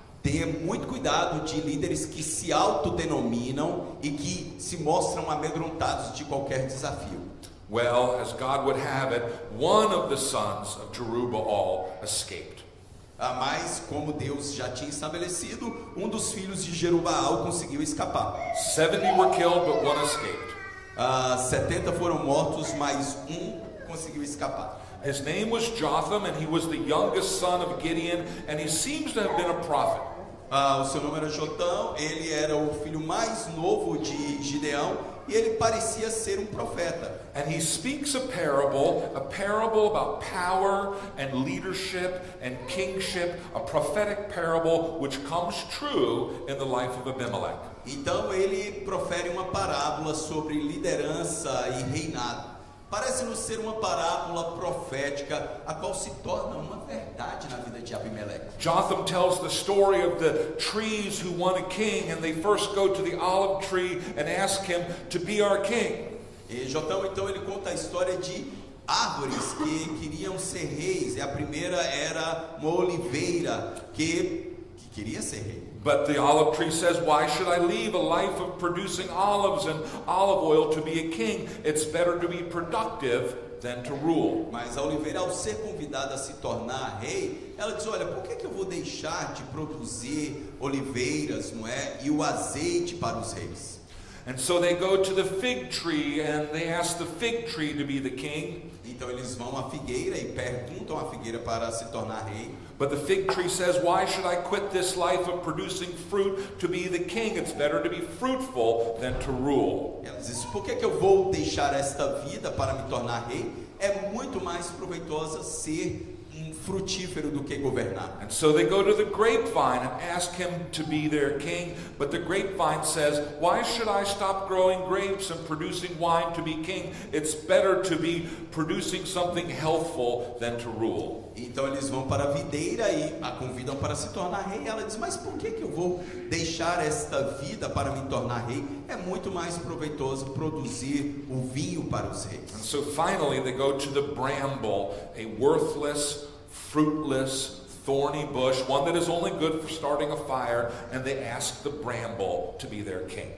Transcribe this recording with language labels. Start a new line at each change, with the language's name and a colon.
Portuguese: Tenha muito cuidado de líderes que se autodenominam e que se mostram amedrontados de qualquer desafio.
English: Well, as God would have it, one of the sons of Jerubbaal escaped.
Portuguese: Mas como Deus já tinha estabelecido, um dos filhos de Jerubbaal conseguiu escapar.
English: 70 were killed, but one escaped.
Portuguese: 70 foram mortos, mas um conseguiu escapar.
English: His name was Jotham, and he was the youngest son of Gideon, and he seems to have been a prophet.
Portuguese: O seu nome era Jotão, ele era o filho mais novo de Gideão, e ele parecia ser um profeta.
English: And he speaks a parable about power and leadership and kingship, a prophetic parable which comes true in the life of Abimelech.
Portuguese: Então ele profere uma parábola sobre liderança e reinado. Parece-nos ser uma parábola profética, a qual se torna uma verdade na vida de Abimeleque.
English: Jotham tells the story of the trees who want a king, and they first go to the olive tree and ask him to be our king.
Portuguese: E Jotham, então, ele conta a história de árvores que queriam ser reis, e a primeira era uma oliveira que queria ser rei.
English: But the olive tree says, why should I leave a life of producing olives and olive oil to be a king? It's better to be productive than to rule.
Portuguese: Mas a oliveira, ao ser convidada a se tornar rei, ela diz, olha, por que que eu vou deixar de produzir oliveiras, não é? E o azeite para os reis?
English: And so they go to the fig tree and they ask the fig tree to be the king.
Portuguese: Então eles vão à figueira e perguntam à figueira para se tornar rei.
English: But the fig tree says, why should I quit this life of producing fruit to be the king? It's better to be fruitful than to rule.
Portuguese: Ela diz, por que que eu vou deixar esta vida para me tornar rei? É muito mais proveitosa ser frutífero do que governar.
English: And so they go to the grapevine and ask him to be their king. But the grapevine says, why should I stop growing grapes and producing wine to be king? It's better to be producing something healthful than to rule.
Portuguese: Então eles vão para a videira e a convidam para se tornar rei. Ela diz, mas por que que eu vou deixar esta vida para me tornar rei? É muito mais proveitoso produzir o vinho para os reis.
English: And so finally they go to the bramble, a worthless, fruitless, thorny bush, one that is only good for starting a fire, and they ask the bramble to be their king.